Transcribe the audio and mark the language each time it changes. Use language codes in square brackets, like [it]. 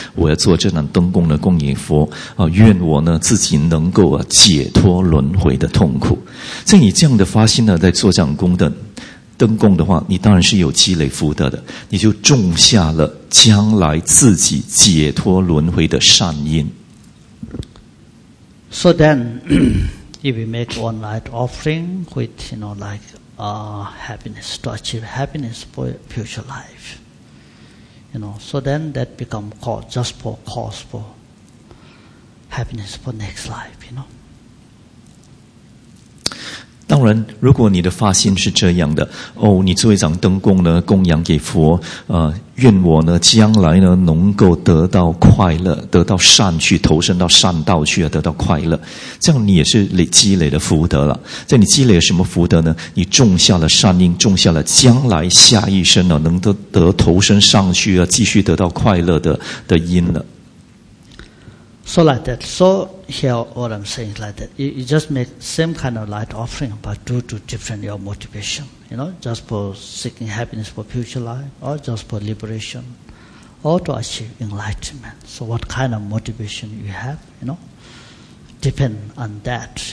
[zh] 我要做这盏灯供呢，供给佛啊，愿我呢自己能够啊解脱轮回的痛苦。像以这样的发心呢，在做这盏供的。灯供的话，你当然是有积累福德的，你就种下了将来自己解脱轮回的善因。 [en] So then, if we make one light offering, with you know, like happiness to achieve happiness for future life, you know, so then that become cause just for cause for happiness for next life, you know. [zh] 当然，如果你的发心是这样的，哦，你做一盏灯供呢，供养给佛，愿我呢将来呢能够得到快乐，得到善去，投身到善道去啊，得到快乐。这样你也是积累了福德了。在你积累了什么福德呢？你种下了善因，种下了将来下一生呢能得投身上去啊，继续得到快乐的因了。 [en] So like that. So here, what I'm saying is like that. You just make same kind of light offering, but due to different your motivation. You know, just for seeking happiness for future life, or just for liberation, or to achieve enlightenment. So what kind of motivation you have, you know, depend on that.